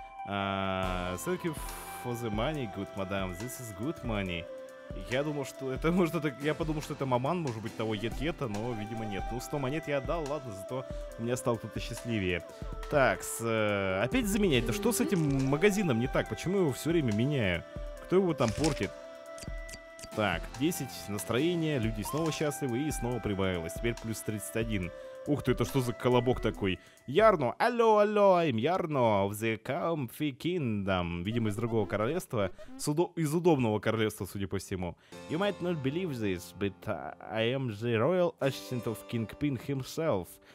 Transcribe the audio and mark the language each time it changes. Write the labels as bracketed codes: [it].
[en] Thank you for the money, good madam, this is good money. [ru] Я думал, что это может это... Я подумал, что это маман, может быть, того ед-ета, но, видимо, нет. Ну, 100 монет я отдал, ладно, зато у меня стал кто-то счастливее. Так, опять заменять. Да что с этим магазином не так? Почему я его все время меняю? Кто его там портит? Так, 10, настроение, люди снова счастливы и снова прибавилось. Теперь плюс 31. Ух ты, это что за колобок такой? [en] Ярно, алло, алло, I'm Ярно of the Comfy Kingdom. [ru] Видимо, из другого королевства. Из удобного королевства, судя по всему. [en] You might not believe this, but I am the royal assistant of Kingpin himself.